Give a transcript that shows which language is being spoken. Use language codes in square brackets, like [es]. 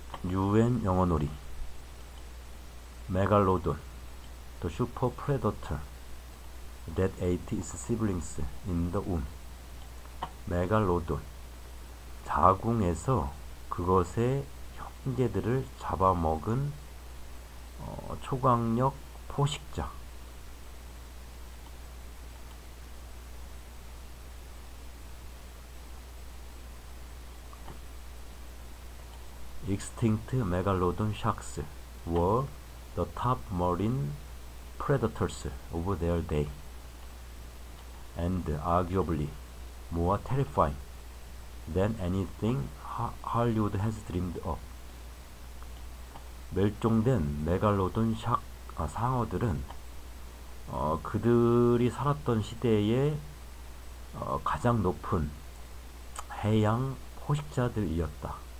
[en] 유엔 영어놀이, 메갈로돈, 더 슈퍼 프레더터, that ate its siblings in the womb. [ko] 메갈로돈, 자궁에서 그것의 형제들을 잡아먹은 초강력 포식자. [en] 익스팅트 메갈로돈 샥스 were the top marine predators of their day and arguably more terrifying than anything Hollywood has dreamed of. [ko] 멸종된 메갈로돈 샥 상어들은 그들이 살았던 시대에 가장 높은 해양 포식자들이었다.